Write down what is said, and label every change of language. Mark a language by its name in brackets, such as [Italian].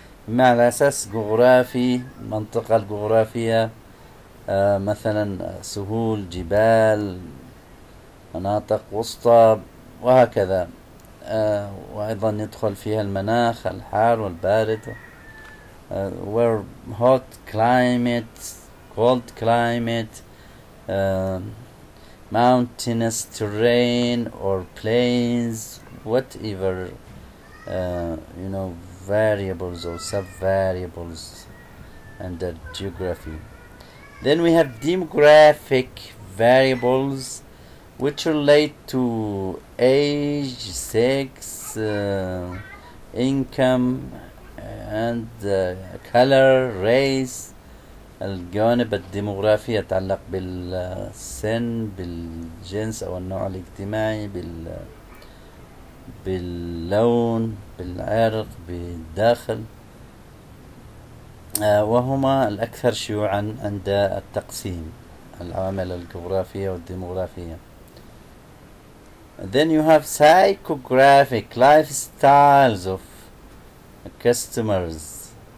[Arabic] مع الأساس جغرافي، المنطقة الجغرافية، مثلا سهول، جبال، مناطق وسطى وهكذا. وأيضا يدخل فيها المناخ الحار والبارد، [English] where hot climate, cold climate, mountainous terrain or plains, whatever you know, variables or sub variables under geography. Then we have demographic variables, which relate to age, sex, income, and color, race. [Arabic] الجوانب الديموغرافية تتعلق بالسن، بالجنس أو النوع الاجتماعي، باللون، بالعرق، بالدخل، وهما الأكثر شيوعاً عند التقسيم، العوامل الجغرافية والديموغرافية. [English] Then you have psychographic lifestyles of customers.